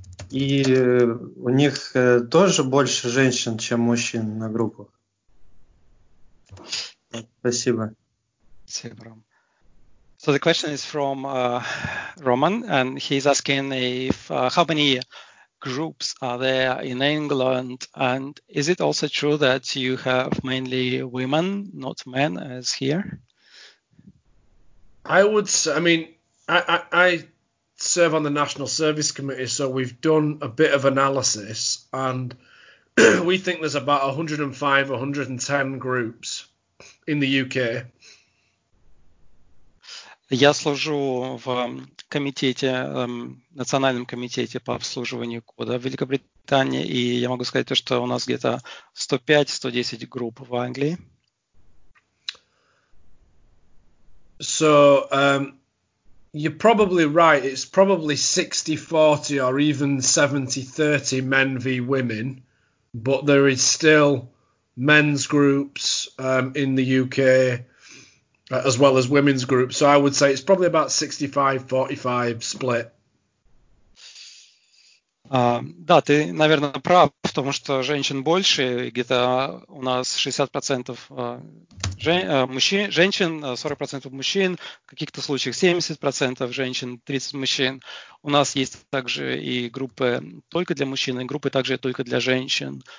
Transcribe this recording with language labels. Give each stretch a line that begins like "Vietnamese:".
Russian: И у них тоже больше женщин, чем мужчин на группах. Спасибо. Спасибо, Ром.
English: So the question is from Roman, and he's asking if how many groups are there in England, and is it also true that you have mainly women, not men, as here? I serve on the National Service Committee, so we've done a bit of analysis, and we think there's about 105, 110 groups in the UK.
Russian: Я служу в комитете, национальном комитете по обслуживанию кода в Великобритании, и я могу сказать то, что у нас где-то 105-110 групп в Англии.
English: So, you're probably right. It's probably 60-40 or even 70-30 men v women, but there is still men's groups in the UK as well as women's groups. So I would say it's probably about 65-45 split.
Russian: Да, ты, наверное, прав, потому что женщин больше, где-то у нас 60% женщин, 40% мужчин, в каких-то случаях 70% женщин, 30% мужчин. У нас есть также и группы только для мужчин, и группы также только для женщин.